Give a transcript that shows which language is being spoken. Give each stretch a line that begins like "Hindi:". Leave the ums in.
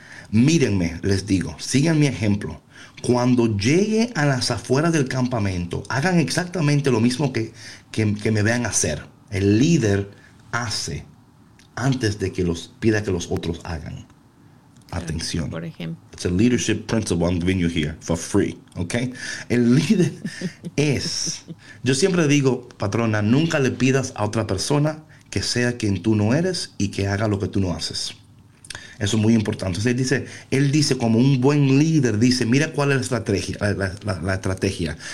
Spanish: Mírenme, les digo, sigan mi ejemplo. Cuando llegue a las afueras del campamento, hagan exactamente lo mismo que, que, que me vean hacer. El líder hace antes de que los pida que los otros hagan. Atención. Por ejemplo.
English: It's a leadership principle I'm giving you here for free, ¿ok?
Spanish: El líder es, yo siempre digo, patrona, nunca le pidas a otra persona que sea quien tú no eres y que haga lo que tú no haces. Eso es muy importante. Entonces, él dice, él dice como un buen líder, dice, mira cuál es la estrategia, la, la- la- la estrategia.